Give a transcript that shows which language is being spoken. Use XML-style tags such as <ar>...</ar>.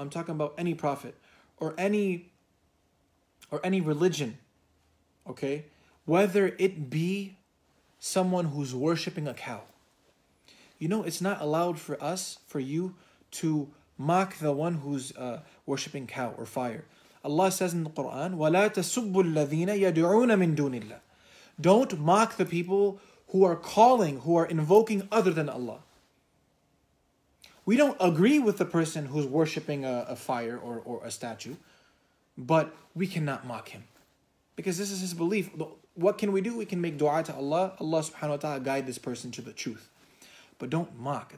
<en>I'm talking about any prophet, or any religion. Okay, whether it be someone who's worshiping a cow. You know, it's not allowed for us, for you, to mock the one who's worshipping cow or fire. Allah says in the Quran,</en> <ar>وَلَا تَسُبُّ الَّذِينَ يَدْعُونَ مِن دُونِ اللَّهِ.</ar> <en>Don't mock the people who are calling, who are invoking other than Allah. We don't agree with the person who's worshipping a fire or a statue, but we cannot mock him. Because this is his belief. What can we do? We can make dua to Allah. Allah subhanahu wa ta'ala guide this person to the truth. But don't mock.</en>